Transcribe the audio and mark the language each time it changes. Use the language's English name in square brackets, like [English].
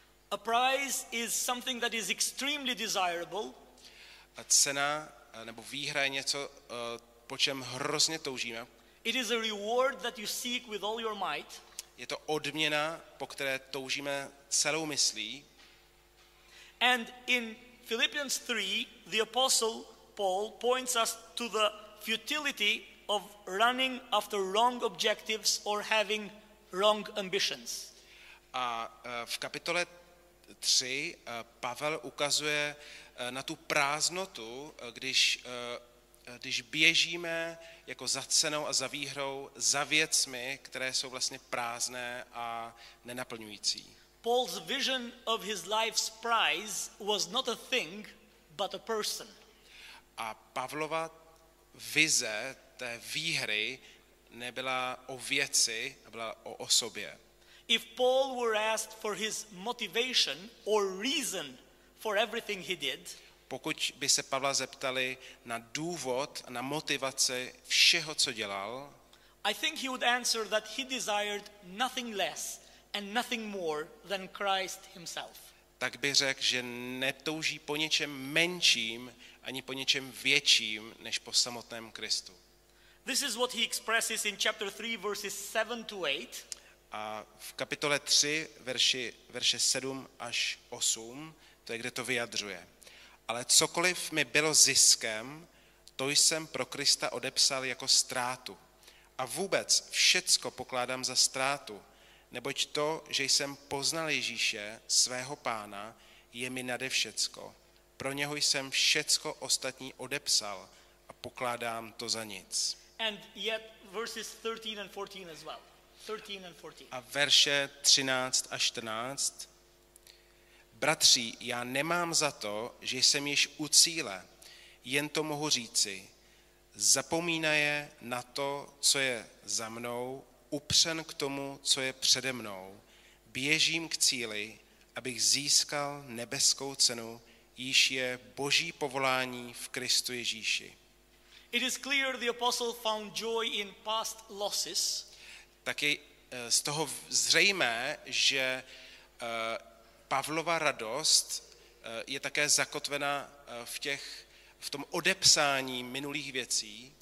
[English] A prize is something that is extremely desirable. [Czech] A cena nebo výhra je něco, po čem hrozně toužíme. [English] It is a reward that you seek with all your might. [Czech] Je to odměna, po které toužíme celou myslí. [English] And in Philippians 3, the apostle Paul points us to the futility of running after wrong objectives or having wrong ambitions. [Czech] A v kapitole 3 Pavel ukazuje na tu prázdnotu, když běžíme jako za cenou a za výhrou za věcmi, které jsou vlastně prázdné a nenaplňující. [English] Paul's vision of his life's prize was not a thing, but a person. [Czech] A Pavlova vize té výhry nebyla o věci, byla o osobě. [English] If Paul were asked for his motivation or reason for everything he did, [Czech] pokud by se Pavla zeptali na důvod, na motivaci všeho, co dělal, [English] I think he would answer that he desired nothing less and nothing more than Christ himself. [Czech] Tak by řekl, že netouží po něčem menším ani po něčem větším než po samotném Kristu. [English] This is what he expresses in chapter 3 verses 7 to 8. [Czech] A v kapitole 3 verše 7 až 8, to je kde to vyjadřuje. Ale cokoliv mi bylo ziskem, to jsem pro Krista odepsal jako ztrátu. A vůbec všecko pokládám za ztrátu, neboť to, že jsem poznal Ježíše, svého pána, je mi nade všecko. Pro něho jsem všecko ostatní odepsal a pokládám to za nic. [English] And yet verses 13 and 14 as well. 13 and 14. [Czech] A verše 13 a 14. Bratři, já nemám za to, že jsem již u cíle, jen to mohu říci. Zapomínaje na to, co je za mnou, upřen k tomu, co je přede mnou. Běžím k cíli, abych získal nebeskou cenu, již je Boží povolání v Kristu Ježíši. [English] It is clear the apostle found joy in past losses. [Czech] Tak je z toho zřejmé, že Pavlova radost je také zakotvena v tom odepsání minulých věcí.